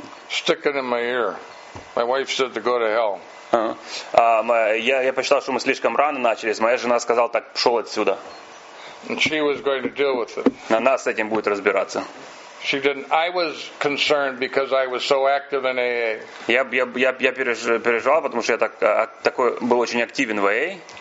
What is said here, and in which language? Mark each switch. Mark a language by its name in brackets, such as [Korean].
[English] Stick it in my ear. My wife said to go to hell. [Russian] Я посчитал, что мы слишком рано начались. Моя жена сказала, так, пошел отсюда. [English] And she was going to deal with it. [Russian] Она с этим будет разбираться. [English] She didn't. I was concerned because I was so active in AA. [Russian] Я переживал, потому что я такой был очень активен в AA.